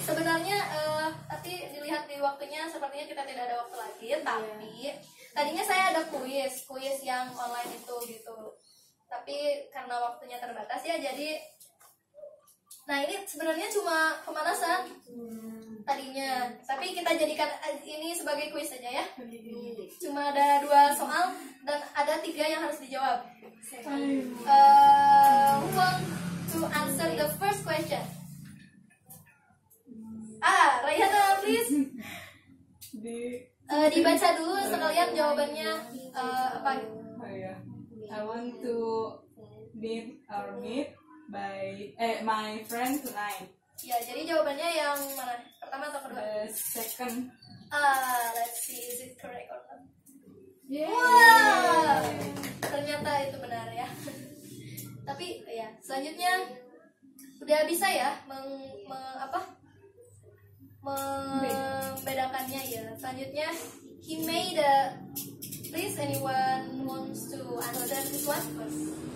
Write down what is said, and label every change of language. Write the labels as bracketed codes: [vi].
[id] Sebenarnya tapi dilihat di waktunya sepertinya kita tidak ada waktu lagi, tapi tadinya saya ada kuis yang online itu gitu. Tapi karena waktunya terbatas ya, jadi nah ini sebenarnya cuma pemanasan tadinya, tapi kita jadikan ini sebagai kuis saja ya. Cuma ada dua soal dan ada tiga yang harus dijawab. [en] Who want to answer the first question? Raihana please. SD. [id] Dibaca dulu sekalian jawabannya apa? [en] I want to meet or meet by my friend tonight. [id] Ya, jadi jawabannya yang mana? Pertama atau kedua? [en] Second. Let's see, is it correct or not? Yeah. [id] Wow, ternyata itu benar ya. Tapi ya, selanjutnya udah bisa ya membedakannya ya. Selanjutnya, [en] he made a. Please, anyone wants to answer this one first?